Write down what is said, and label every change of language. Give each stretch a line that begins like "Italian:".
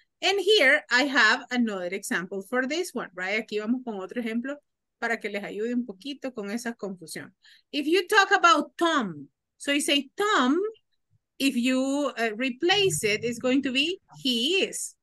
English: And here I have another example for this one, right?
Spanish: Aquí vamos con otro ejemplo para que les ayude un poquito con esa confusión.
English: If you talk about Tom, so you say Tom, if you replace it, it's going to be he is.